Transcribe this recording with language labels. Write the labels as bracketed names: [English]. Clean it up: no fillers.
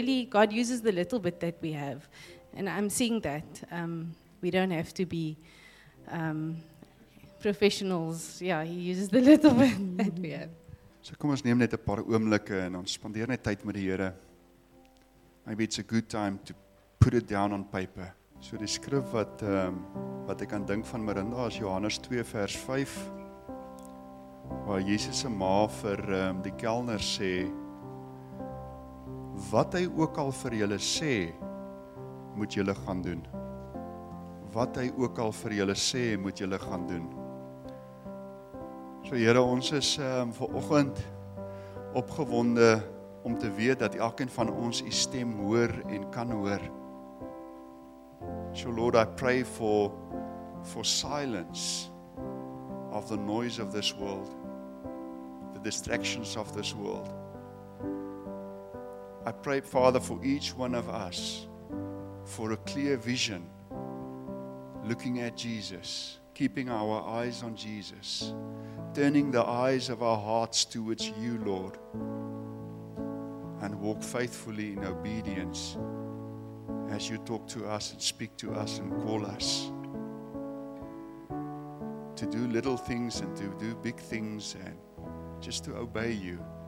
[English] God uses the little bit that we have. And I'm seeing that we don't have to be professionals. Yeah, he uses the little bit that we have. [Afrikaans] So kom ons neem net 'n paar oomblikke en ons spandeer net tyd met die Here. [English] Maybe it's a good time to put it down on paper. [Afrikaans] So die skrif wat wat ek aan dink van Marinda is Johannes 2 vers 5, waar Jesus se ma vir die kelner sê, wat hy ook al vir julle sê, moet julle gaan doen. Wat hy ook al vir julle sê, moet julle gaan doen. So Here, ons is vanoggend opgewonde om te weet dat elkeen van ons u stem hoor en kan hoor. [English] So Lord, I pray for silence of the noise of this world, the distractions of this world. I pray, Father, for each one of us, for a clear vision, looking at Jesus, keeping our eyes on Jesus, turning the eyes of our hearts towards you, Lord, and walk faithfully in obedience as you talk to us and speak to us and call us to do little things and to do big things and just to obey you.